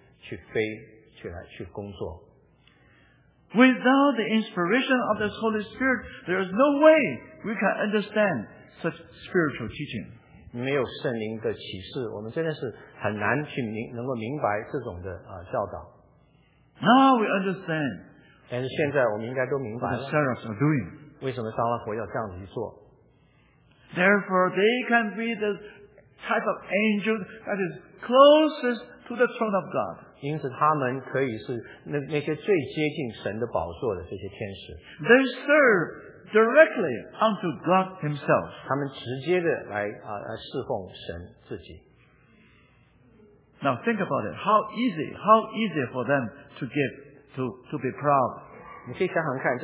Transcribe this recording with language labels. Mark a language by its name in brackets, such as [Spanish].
[Chinese] 只有用了剩下来的三分之一的能力去飞去工作。 [English] Without the inspiration of the Holy Spirit, there is no way we can understand such spiritual teaching. [Chinese] 没有圣灵的启示，我们真的是很难去能够明白这种的教导。 [English] Now we understand. [Chinese] 但是现在我们应该都明白了。 [English] What the seraphs are doing. [Chinese] 为什么撒拉佛要这样子去做？ [English] Therefore, they can be the type of angel that is closest to the throne of God. [Chinese] 因此他们可以是那些最接近神的宝座的这些天使。 [English] They serve directly unto God Himself. [Chinese] 他们直接的来侍奉神自己。 [English] Now think about it. How easy for them to give to be proud?